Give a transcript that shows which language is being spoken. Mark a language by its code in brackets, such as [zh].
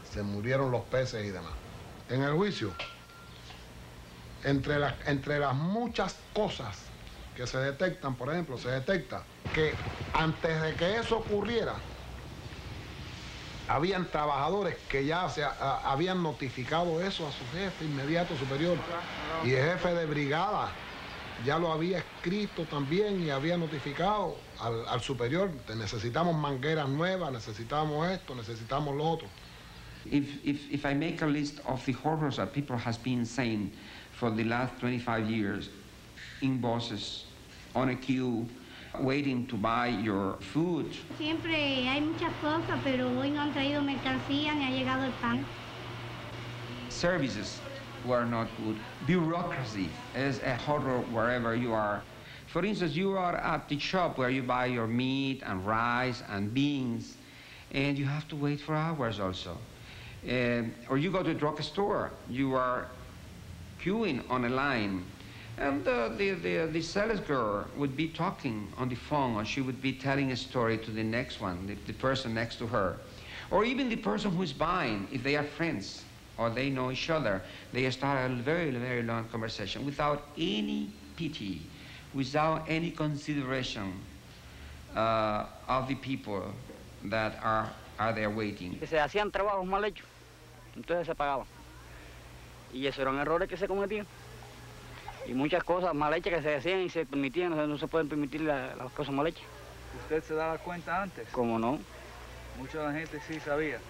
[es] Se murieron los peces y demás. En el juicio, entre las muchas cosas que se detectan, por ejemplo, se detecta que antes de que eso ocurriera, habían trabajadores que ya habían notificado eso a su jefe inmediato superior. Y el jefe de brigada ya lo había escrito también y había notificado al superior, necesitamos mangueras nuevas, necesitamos esto, necesitamos lo otro. [en] If I make a list of the horrors that people has been saying for the last 25 years in buses, on a queue, waiting to buy your food. [es] Siempre hay muchas cosas, pero hoy no han traído mercancía ni ha llegado el pan. [en] Services were not good. Bureaucracy is a horror wherever you are. For instance, you are at the shop where you buy your meat and rice and beans, and you have to wait for hours also. Or you go to a drugstore, you are queuing on a line, and the sales girl would be talking on the phone, or she would be telling a story to the next one, the person next to her. Or even the person who is buying, if they are friends, or they know each other, they start a very, very long conversation without any pity, without any consideration of the people that are there waiting. [es] Se hacían trabajos mal hechos, entonces se pagaban. Y esos eran errores que se cometían. Y muchas cosas mal hechas que se hacían y se permitían, o sea, no se pueden permitir las cosas mal hechas. ¿Usted se daba cuenta antes? ¿Cómo no? Mucha gente sí sabía.